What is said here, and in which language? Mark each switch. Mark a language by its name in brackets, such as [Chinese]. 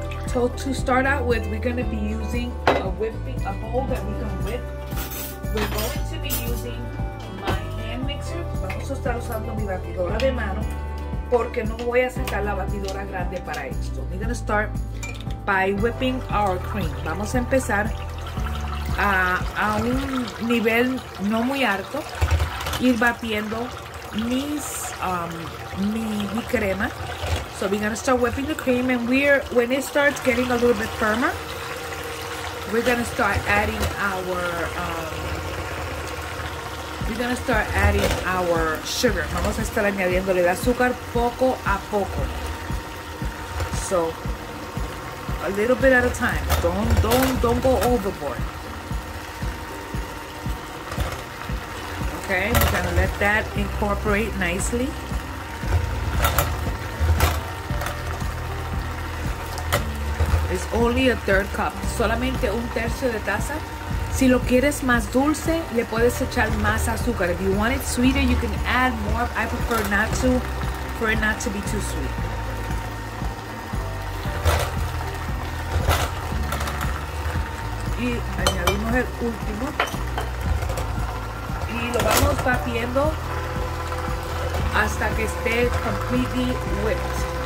[English] So, to start out with, we're going to be using a bowl that we can whip. [Spanish] We're going to be using my hand mixer. Vamos a estar usando mi batidora de mano porque no voy a sacar la batidora grande para esto. [English] We're going to start by whipping our cream. [Spanish] Vamos a empezar a un nivel no muy alto, ir batiendo mi crema. [English] So we're gonna start whipping the cream, and when it starts getting a little bit firmer, we're gonna start adding our sugar. [Spanish] Vamos a estar añadiéndole el azúcar poco a poco. [English] So a little bit at a time. Don't go overboard. Okay, we're gonna let that incorporate nicely. It's only 1/3 cup. Solamente 1/3 de taza. [Spanish] Si lo quieres más dulce, le puedes echar más azúcar. [English] If you want it sweeter, you can add more. I prefer not to, for it not to be too sweet. [Spanish] Y añadimos el último. Y lo vamos batiendo hasta que esté completely whipped.